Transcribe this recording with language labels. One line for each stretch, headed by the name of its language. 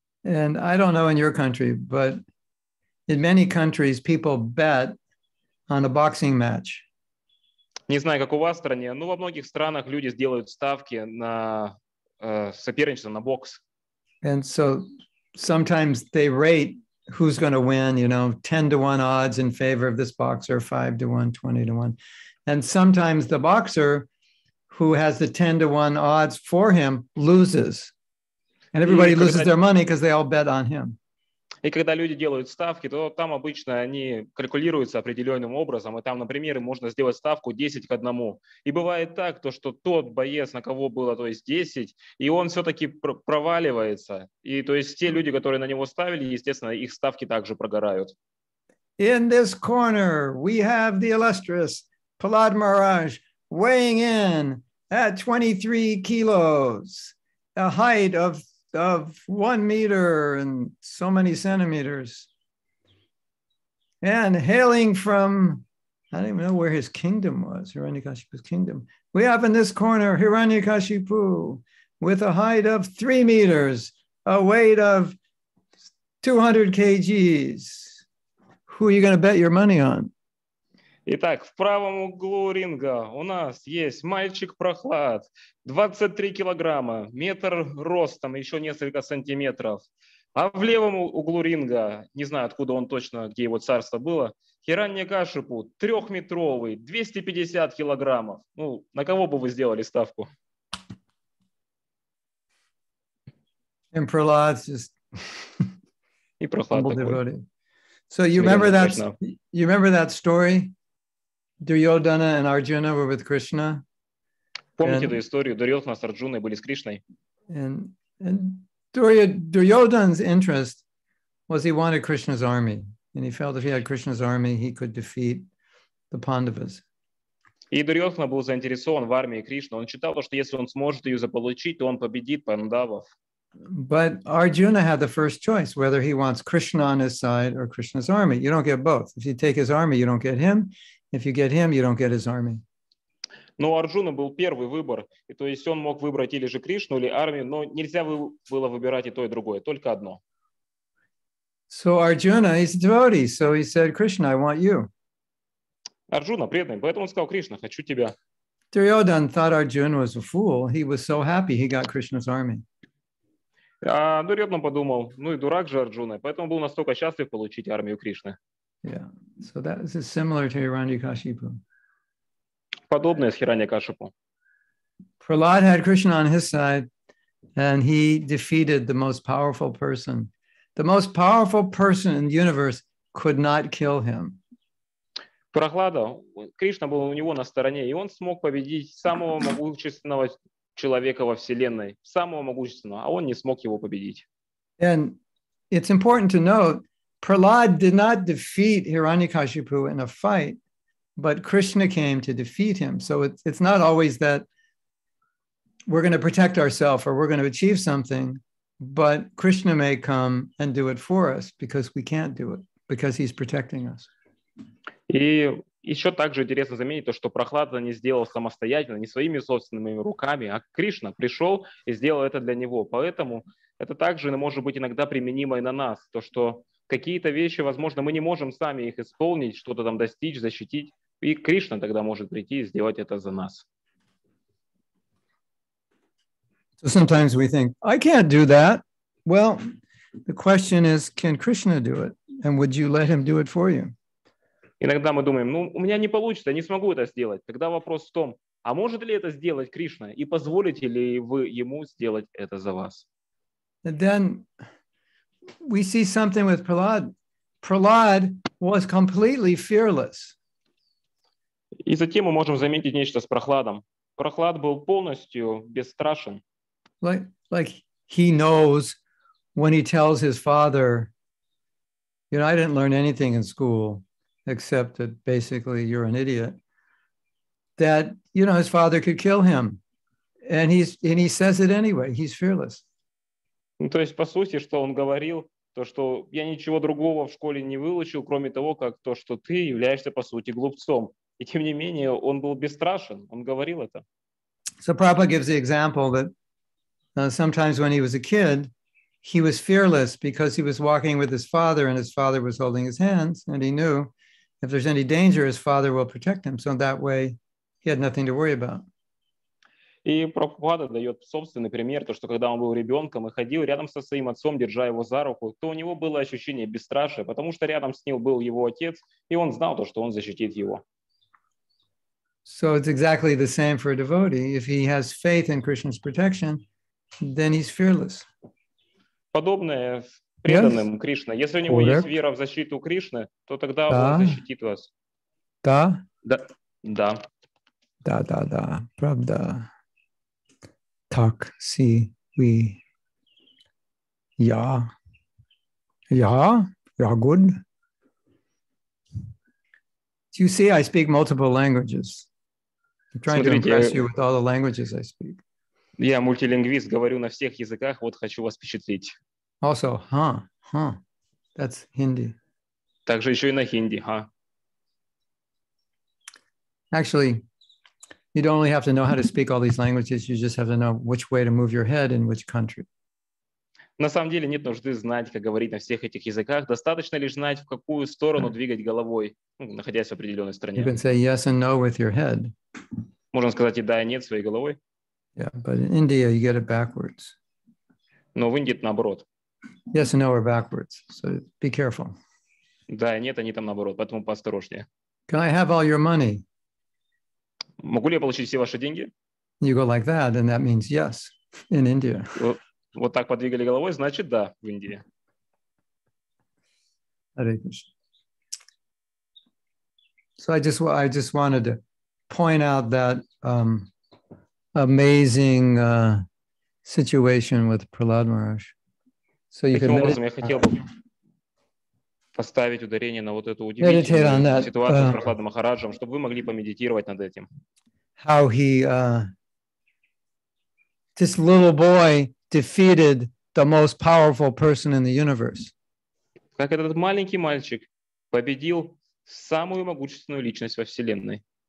English: And I don't know in your country, but in many countries, people bet on a boxing match.
Russian: Не знаю, как у вас в стране, но во многих странах люди сделают ставки на соперничество, на бокс.
English: And so sometimes they rate who's going to win, you know, 10-1 odds in favor of this boxer, 5-1, 20-1. And sometimes the boxer who has the 10-1 odds for him loses. And everybody loses their money because they all bet on him.
Russian: И когда люди делают ставки, то там обычно они калькулируются определенным образом, и там, например, можно сделать ставку 10 к 1. И бывает так, то, что тот боец, на кого было, то есть 10, и он все-таки проваливается. И то есть те люди, которые на него ставили, естественно, их ставки также прогорают.
English: In this corner we have the illustrious Palad Maharaj weighing in at 23 kilos, a height of 1 meter and so many centimeters. And hailing from, I don't even know where his kingdom was, Hiranyakashipu's kingdom. We have in this corner Hiranyakashipu with a height of 3 meters, a weight of 200 kgs. Who are you going to bet your money on?
Russian: Итак, в правом углу ринга у нас есть мальчик Прохлад, 23 килограмма, метр ростом, еще несколько сантиметров. А в левом углу ринга, не знаю, откуда он точно, где его царство было, Хираньякашипу, трехметровый, 250 килограммов. Ну, на кого бы вы сделали ставку?
English: And Prahlad just...
Russian: И Прохлад такой.
English: So you remember that? You remember that story? Duryodhana and Arjuna were with Krishna.
Russian: Помните эту историю? Дурьодхана с Арджуной были с Кришной.
English: And Duryodhana's interest was he wanted Krishna's army, and he felt if he had Krishna's army, he could defeat the Pandavas.
Russian: И Дурьодхана был заинтересован в армии Кришны. Он считал, что если он сможет ее заполучить, то он победит пандавов.
English: But Arjuna had the first choice whether he wants Krishna on his side or Krishna's army. You don't get both. If you take his army, you don't get him. If you get him, you don't get his army.
Russian: Но у Арджуны был первый выбор, и то есть он мог выбрать или же Кришну, или армию, но нельзя было выбирать и то, и другое, только одно.
English: So Arjuna is a devotee, so he said, Krishna, I want you.
Russian: Арджуна преданный, поэтому он сказал, Кришна, хочу тебя.
English: Duryodhana thought Arjuna was a fool. He was so happy he got Krishna's army.
Russian: А Дурьодхана подумал, ну и дурак же Арджуна, поэтому был настолько счастлив получить армию Кришны.
English: Yeah. So that is similar to Hiranyakashipu.
Russian: Подобное с Хираньякашипу.
English: Prahlad had Krishna on his side, and he defeated the most powerful person. The most powerful person in the universe could not kill him.
Russian: Прохлада, Кришна был у него на стороне, и он смог победить самого могущественного человека во вселенной, самого могущественного, а он не смог его победить.
English: And it's important to note, Prahlad did not defeat Hiranyakashipu in a fight, but Krishna came to defeat him. So it's not always that we're going to protect ourselves or we're going to achieve something, but Krishna may come and do it for us because we can't do it, because he's protecting us.
Russian: И еще также интересно заметить то, что Прохлада не сделал самостоятельно, не своими собственными руками, а Кришна пришел и сделал это для него. Поэтому это также может быть иногда применимо и на нас, то, что какие-то вещи, возможно, мы не можем сами их исполнить, что-то там достичь, защитить, и Кришна тогда может прийти и сделать это за нас.
English: So sometimes we think, I can't do that. Well, the question is, can Krishna do it? And would you let him do it for you?
Russian: Иногда мы думаем, ну, у меня не получится, я не смогу это сделать. Тогда вопрос в том, а может ли это сделать Кришна? И позволите ли вы ему сделать это за вас?
English: And then we see something with Prahlad. Prahlad was completely fearless.
Russian: И затем мы можем заметить нечто с Прохладом. Прохлад был полностью бесстрашен.
English: Like he knows when he tells his father, you know, I didn't learn anything in school. Except that basically you're an idiot, that, you know, his father could kill him. And he says it anyway. He's fearless.
Russian: Ну, то есть, по сути, что он говорил, то, что я ничего другого в школе не выучил, кроме того, как то, что ты являешься, по сути, глупцом. И тем не менее, он был бесстрашен. Он говорил это.
English: So Prabhupada gives the example that sometimes when he was a kid, he was fearless because he was walking with his father and his father was holding his hands and he knew if there's any danger, his father will protect him. So that way, he had nothing to worry about.
Russian: И Прабхупада дает собственный пример, то, что когда он был ребенком и ходил рядом со своим отцом, держа его за руку, то у него было ощущение бесстрашия, потому что рядом с ним был его отец, и он знал то, что он защитит его.
English: So it's exactly the same for a devotee. If he has faith in Krishna's protection, then he's fearless.
Russian: Подобное преданным yes. Кришне. Если у него
English: Correct.
Russian: Есть вера в защиту Кришны, то тогда да. он защитит вас. Да? Да. Да. Да, да, да. Правда. Так, си, ви. Я. Я? Я good?
English: Do you see, I speak multiple languages. I'm trying
Russian: Смотрите,
English: to impress you with all the languages I speak.
Russian: Я мультилингвист, говорю на всех языках, вот хочу вас впечатлить.
English: Also, huh, huh, that's Hindi.
Russian: Также еще и на хинди, huh?
English: Actually, you don't only have to know how to speak all these languages, you just have to know which way to move your head in which country.
Russian: На самом деле нет нужды знать, как говорить на всех этих языках. Достаточно лишь знать, в какую сторону двигать головой, ну, находясь в определенной стране.
English: You can say yes and no with your head.
Russian: Можно сказать и да, и нет своей головой.
English: Yeah, but in India you get it backwards.
Russian: Но в Индии наоборот.
English: Yes and no are backwards, so be careful.
Russian: Да, и нет, они там наоборот, поэтому поосторожнее.
English: Can I have all your money?
Russian: Могу ли я получить все ваши деньги?
English: You go like that, and that means yes in India.
Russian: Вот так подвигали головой, значит, да, в Индии.
English: Hare Krishna. So I just wanted to point out that amazing situation with Prahlad Maharaj. So you
Russian: Таким образом, я хотел бы поставить ударение на вот эту удивительную ситуацию с Прахладом Махараджем, чтобы вы могли помедитировать над этим.
English: How he, this little boy, defeated the most powerful person in the universe.
Russian: Как этот маленький мальчик победил самую могущественную личность во Вселенной.